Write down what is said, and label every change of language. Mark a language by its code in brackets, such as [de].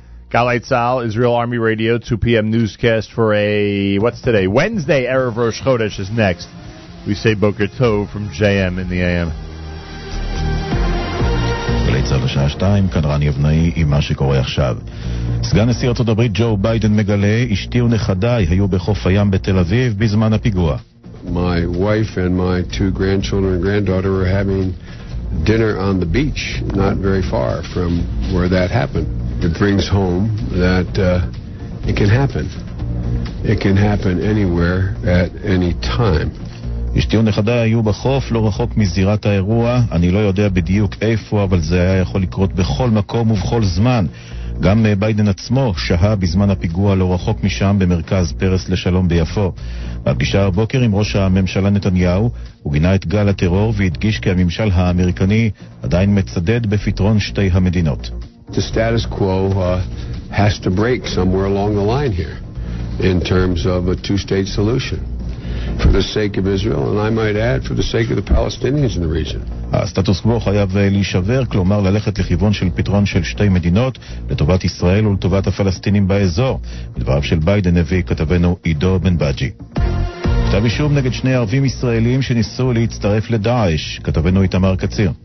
[en] Galei Tzahal, Israel Army Radio, 2 p.m. newscast for a, what's today? Wednesday, Erev Rosh Chodesh is next. We say Boker Tov from JM in the AM. [he] צהל השעה 2, כאן רני אבנאי עם מה שקורה עכשיו. סגן נשיא ארצות הברית ג'ו ביידן מגלה, אשתי ונכדיי היו בחוף הים בתל אביב בזמן הפיגוע. [en] My wife and my two grandchildren and granddaughter were having dinner on the beach, not very far from where that happened. It brings home that it can happen. It can happen anywhere at any time. [he] אשתי ונכדיי היו בחוף, לא רחוק מזירת האירוע. אני לא יודע בדיוק איפה, אבל זה היה יכול לקרות בכל מקום ובכל זמן. גם ביידן עצמו שהה בזמן הפיגוע לא רחוק משם במרכז פרס לשלום ביפו. בפגישה הבוקר עם ראש הממשלה נתניהו, הוא גינה את גל הטרור והדגיש כי הממשל האמריקני עדיין מצדד בפתרון שתי המדינות. [en] The status quo has to break somewhere along the line here in terms of a two-state solution. For the sake of Israel, and I might add, for the sake of the Palestinians in the region. [he] הסטטוס קוו חייב להישבר, כלומר ללכת לכיוון של פתרון של שתי מדינות, לטובת ישראל ולטובת הפלסטינים באזור. בדבריו של ביידן הביא כתבנו עידו בן בג'י. כתב אישום נגד שני ערבים ישראלים שניסו להצטרף לדאעש, כתבנו איתמר קציר.